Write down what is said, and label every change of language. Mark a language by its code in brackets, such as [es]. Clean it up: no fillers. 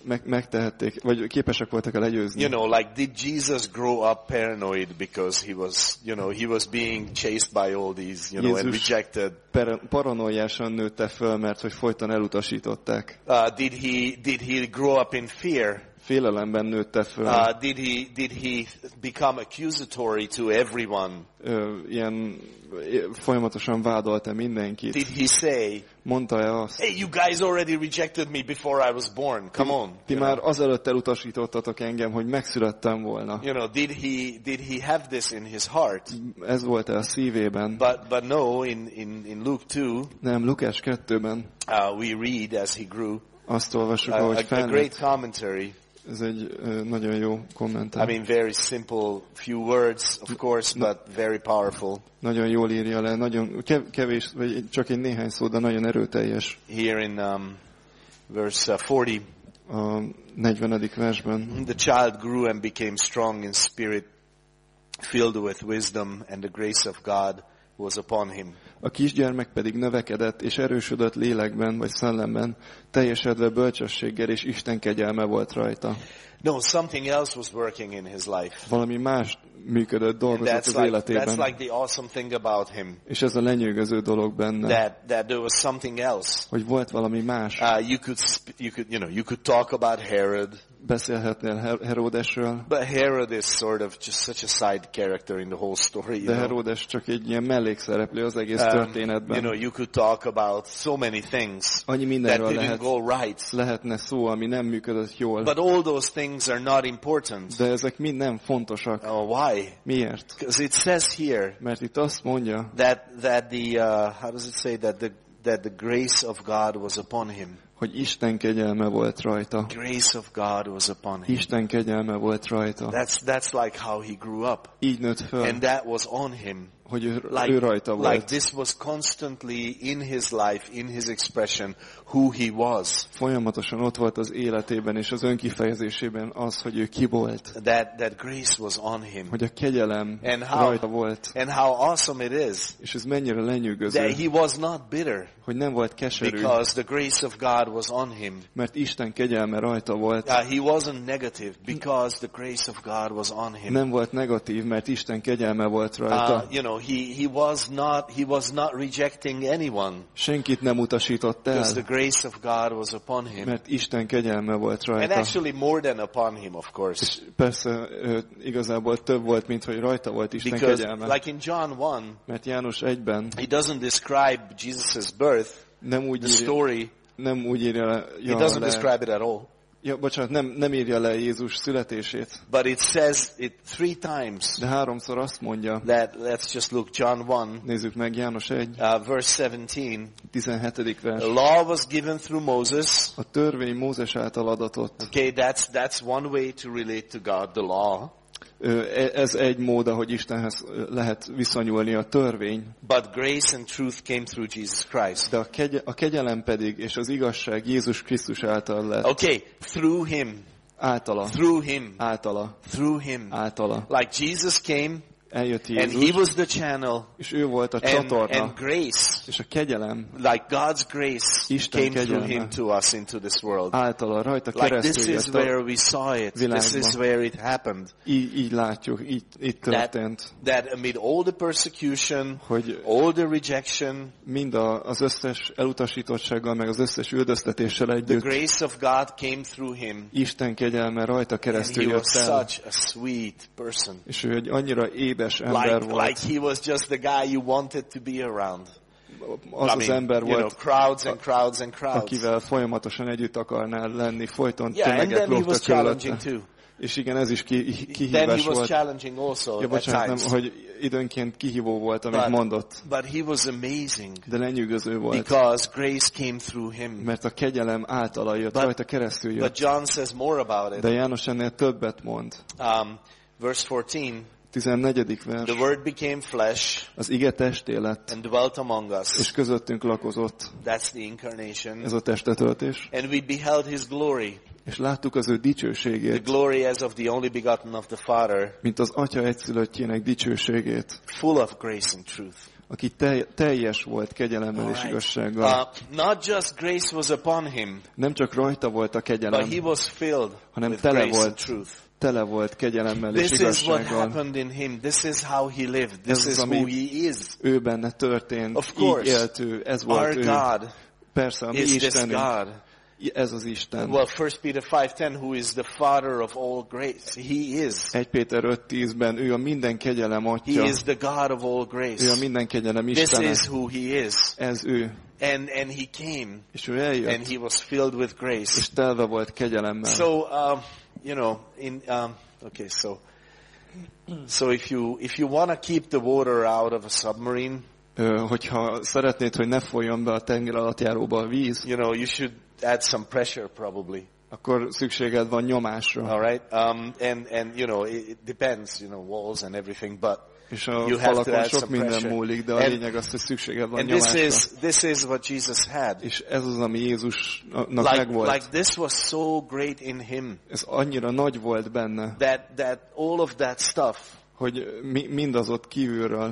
[hu] Megtehették, vagy képesek voltak a legyőzni? [en] You know, like did Jesus grow up paranoid because he was being chased by all these, you know, [hu] Jézus [en] and rejected? [hu] Paranoiásan nőtte fel, mert hogy folyton elutasították. [en] Did he grow up in fear? [hu] Félelemben nőtte föl. [en] Did he become accusatory to everyone? [hu] Ilyen folyamatosan vádolta mindenkit. [en] Did he say? [hu] Mondta-e azt? [en] Hey, you guys already rejected me before I was born. Come on. [hu] Ti már azelőtt elutasítottatok engem, hogy megszülettem volna. [en] You know, did he have this in his heart? [hu] Ez volt-e a szívében? [en] But no, in Luke 2. [hu] Nem, Lukás 2-ben. [en] We read as he grew. [hu] Azt olvasjuk, ahogy felnőtt. [en] A great commentary. [hu] Ez egy nagyon jó kommentár. [en] I mean, very simple, few words, of course, but very powerful. [hu] Nagyon jól írja le, nagyon kevés, vagy csak egy néhány szó, de nagyon erőteljes. [en] Here in verse 40. [hu] A 40. versben. [en] The child grew and became strong in spirit, filled with wisdom, and the grace of God was upon him. [hu] A kisgyermek pedig növekedett és erősödött lélekben vagy szellemben, teljesedve bölcsességgel és Isten kegyelme volt rajta. [en] No, something else was working in his life. [hu] Valami más működött, dolgozott az életében. [en] That's like the awesome thing about him. [hu] És ez a lenyűgöző dolog benne. [en] That there was something else. [hu] Hogy volt valami más. [en] You could talk about Herod. [hu] Beszélhetnél Herodesről. [en] But Herod is sort of just such a side character in the whole story. [hu] De Herodes csak egy ilyen mellékszereplő az egész történetben. [en] You know, you could talk about so many things. [hu] Annyi mindenről [en] that didn't go right. [hu] Lehetne szó, ami nem működött jól. [en] But all those things are not important. [hu] De ezek mind nem fontosak. [en] Why? [hu] Miért? [en] Because it says here. [hu] Mert itt azt mondja. [en] That the grace of God was upon him. [hu] Hogy Isten kegyelme volt rajta. [en] Grace of God was upon him. [hu] Isten kegyelme volt rajta. [en] That's like how he grew up. [hu] Így nőtt föl. [en] And that was on him. [hu] Hogy ő rajta volt. [en] Like this was constantly in his life, in his expression, who he was. [hu] Folyamatosan ott volt az életében és az önkifejezésében az, hogy ő ki volt. [en] That grace was on him. [hu] Hogy a kegyelem rajta volt. [en] And how awesome it is. [hu] És ez mennyire lenyűgöző. [en] That he was not bitter. [hu] Hogy nem volt keserű. [en] Because the grace of God was on him. [hu] Mert Isten kegyelme rajta volt. [en] He wasn't negative because the grace of God was on him. [hu] Nem volt negatív, mert Isten kegyelme volt rajta. [en] He was not rejecting anyone. [hu] Senkit nem utasított el. [en] Because the grace of God was upon him. [hu] Mert Isten kegyelme volt rajta. [en] And actually more than upon him, of course. [hu] És persze igazából több volt, mint hogy rajta volt Isten [en] because, [hu] kegyelme. [en] Like in John 1, [hu] mert János 1-ben, [en] he doesn't describe Jesus' birth, [hu] nem úgy [en] the story. [hu] Nem úgy írja le. [en] He doesn't describe it at all. [hu] Ja, bocsánat, nem írja le Jézus születését. [en] But it says it three times. [hu] De háromszor azt mondja. [en] Let's just look John 1. [hu] Nézzük meg János 1. [en] Verse 17. [hu] 17. vers. [en] The law was given through Moses. [hu] A törvény Mózes által adatott. [en] Okay, that's one way to relate to God, the law. [hu] Ez egy mód, ahogy Istenhez lehet viszonyulni, a törvény. [en] But grace and truth came through Jesus Christ. [hu] De a kegyelem pedig és az igazság Jézus Krisztus által lett. [en] Okay, through him. [hu] Általa. [en] Through him. [hu] Általa. [en] Through him. [hu] Általa. [en] Like Jesus came. [hu] Eljött Jézus, [en] and he was the channel. [hu] És ő volt a csatorna. [en] And grace. [hu] És a kegyelem. [en] Like God's grace [hu] Isten [en] came [hu] kegyelme [en] through him to us into this world. [hu] Általa rajta keresztül. [en] Like this is where we saw it. [hu] Világban. [en] This is where it happened. [hu] Így látjuk, itt történt. [en] That amid all the persecution, all the rejection, [hu] mind az összes elutasítottsággal, meg az összes üldöztetéssel együtt, [en] the grace of God came through him. [hu] Isten kegyelme rajta keresztül [en] and he [hu] jött el. [en] Was such a sweet person. [hu] És ő egy annyira édes ember [en] like, [hu] volt. [en] Like he was just the guy you wanted to be around. [hu] Az [en] I mean, [hu] az ember [en] you [hu] volt, [en] know, crowds and crowds and crowds. [hu] Akivel folyamatosan együtt akarnál lenni, folyton [en] yeah, [hu] tömeget lógtak körülötte. És igen, ez is kihívás [en] then he was [hu] volt. [en] Challenging also [hu] ja, bocsánat, nem, hogy időnként kihívó volt, amit [en] but, [hu] mondott. [en] But he was amazing. [hu] De lenyűgöző volt. [en] Because grace came through him. [hu] Mert a kegyelem általa jött, rajta keresztül jött. [en] But John says more about it. [hu] De János ennél többet mond. [en] Verse 14. [hu] 14. vers. [en] The word became flesh. [hu] Az ige testé lett. [en] And dwelt among us. [hu] És közöttünk lakozott. [en] That's the incarnation. [hu] Ez a testetöltés. [en] And we beheld his glory. [hu] és láttuk az ő dicsőségét. [en] The glory as of the only begotten of the Father. [hu] Mint az Atya egyszülöttjének dicsőségét. [en] Full of grace and truth. [hu] Aki teljes volt kegyelemmel [en] right. [hu] és igazsággal. [en] Not just grace was upon him. [hu] Nem csak rajta volt a kegyelem. [en] But he was filled [hu] hanem [en] with grace and truth. [hu] Tele volt kegyelemmel [en] this [hu] és igazsággal. [en] This is what happened in him. This is how he lived. This is who he is. [hu] Ő benne történt. [en] Of course, [hu] így élt ő. Ez volt [en] our God [hu] ő. Persze, a mi [en] is [hu] Istenünk. [en] This God. [hu] Ez az Isten. [en] Well, 1 Peter 5:10, who is the father of all grace. He is. [hu] 1 Péter 5:10-ben ő a minden kegyelem atya. [en] He is the God of all grace. [hu] Ő a minden kegyelem Istene. [en] This is who he is. [hu] Ez ő. [en] And he came. [hu] És ő eljött. [en] And he was filled with grace. [hu] És telve volt kegyelemmel. [en] So, you know, in okay, so if you want to keep the water out of a submarine, [hu] hogyha szeretnéd, hogy ne folyjon be a tenger alattjáróba a víz, [en] you know, you should add some pressure probably. [hu] Akkor szükséged van nyomásra. [en] All right. And you know, it depends, you know, walls and everything, but [hu] és a falakon sok minden múlik, de a lényeg az, hogy szükséged van nyomásra. [en] This is what Jesus had. [hu] És ez az, ami Jézusnak [en] like, [hu] megvolt. [en] Like this was so great in him. [hu] Ez annyira nagy volt benne. [en] That all of that stuff. [hu] Hogy mindaz ott kívülről